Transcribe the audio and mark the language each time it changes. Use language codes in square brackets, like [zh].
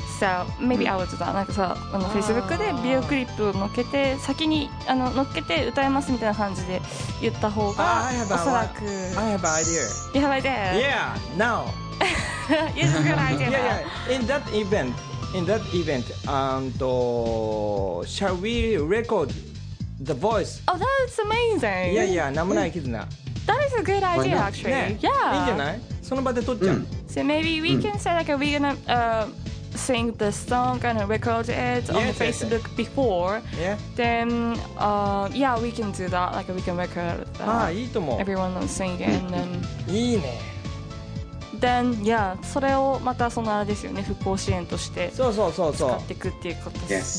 [en] So, maybe I would do that. Like, so, on Facebook, [ja] で video clip を乗っけて、先に乗っけて歌いますみたいな感じで言った方が、おそらく… [en] I have an idea. You have an idea? Yeah, now. It's a good idea. Yeah. In that event, shall we record the voice? Oh, that's amazing! Yeah, Namonai Kizuna. That is a good idea, actually. Yeah. [ja] いいんじゃない? その場で撮っちゃう。 [en] So maybe we can say, like, we're gonna sing the song and record it on Facebook before. Yeah. Then, yeah, we can do that. Like, we can record everyone singing and then. [ja] いいね。 [en] Then, yeah, [ja] それをまたそのあれですよね、復興支援として使っていくっていうことです。